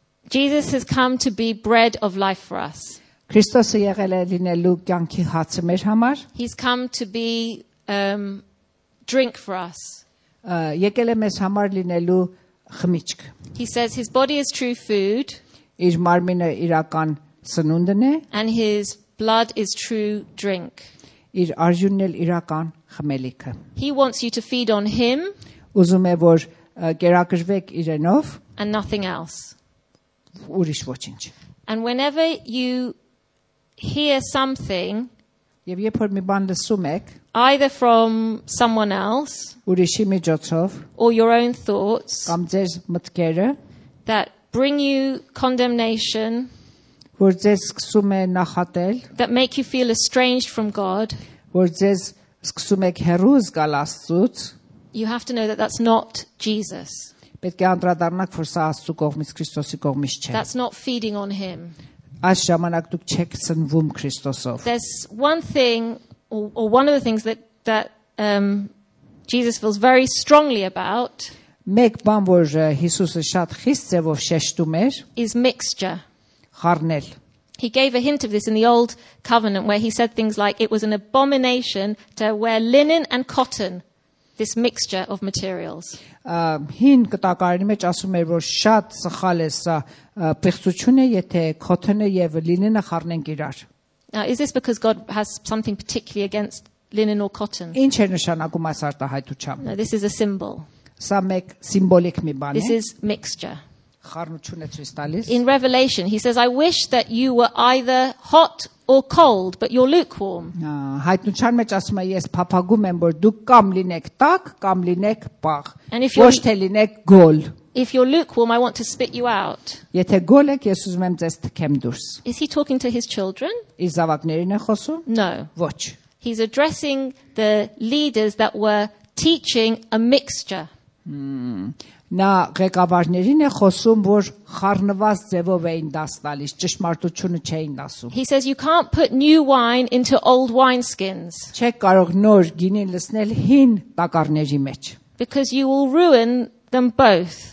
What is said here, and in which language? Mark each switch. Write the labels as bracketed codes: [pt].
[en] Jesus has come to be bread of life for us. [hy] Քրիստոսը եղել է լինելու կյանքի հացը մեր համար. [en] He's come to be drink for us. [hy] Եկել է մեզ համար լինելու խմիչք. [en] He says his body is true food. [hy] Իր մարմինը իրական սնունդն է. [en] And his blood is true drink. [hy] Իր արյունն էլ իրական խմելիքը։ [en] He wants you to feed on him. [hy] Ուզում է, որ կերակրվեք իրենով։ [en] And nothing else. [hy] Ուրիշ ոչինչ։ [en] And whenever you hear something, [hy] եվ երբ որ մի բան լսում եք, [en] either from someone else, [hy] ուրիշի միջոցով, [en] or your own thoughts, [hy] կամ ձեր մտքերը, [en] that bring you condemnation, [hy] որ ձեզ սկսում է նախատել, [en] that make you feel estranged from God, [hy] որ ձեզ սկսում եք հեռու զգալ Աստծուց, [en] you have to know that that's not Jesus. [hy] Պետք է անդրադառնաք, որ սա Աստծո կողմից, Քրիստոսի կողմից չէ. [en] That's not feeding on him. [hy] Այս ժամանակ դուք չեք սնվում Քրիստոսով. [en] There's one thing or one of the things that Jesus feels very strongly about. [hy] Մեկ բան, որ Հիսուսը շատ խիստ ձևով շեշտում էր, [en] is mixture. [hy] Խառնել. [en] He gave a hint of this in the old covenant where he said things like it was an abomination to wear linen and cotton. This mixture of materials. [hy] Հին կտակարանի մեջ ասում էր, որ շատ սխալ է սա, պիղծություն է, եթե կոթնը եւ լինենը խառնենք իրար։ [en] Is this because God has something particularly against linen or cotton? [hy] Ինչ է նշանակում այս արտահայտությամբ։ [en] This is a symbol. [hy] Սա մեկ սիմբոլիկ մի բան է։ [en] This is mixture. [hy] Խառնությունը ցույց տալիս։ [en] In Revelation he says I wish that you were either hot or cold but you're lukewarm. [hy] Հայտնության մեջ ասում է ես փափագում եմ որ դուք կամ լինեք տաք կամ լինեք պաղ, ոչ թե լինեք գոլ. [en] If you're lukewarm I want to spit you out. [hy] Եթե գոլ եք ես ուզում եմ ձեզ թքեմ դուրս. [en] Is he talking to his children? [hy] Իր զավակներին է խոսում? [en] No. [hy] Ոչ. [en] He's addressing the leaders that were teaching a mixture. [hy] Նա ղեկավարներին է խոսում, որ խառնված ձևով էին դաս տալիս, ճշմարտությունը չէին ասում։ [en] He says you can't put new wine into old wineskins. [hy] Չեք կարող նոր գինին լցնել հին տակառների մեջ։ [en] Because you will ruin them both.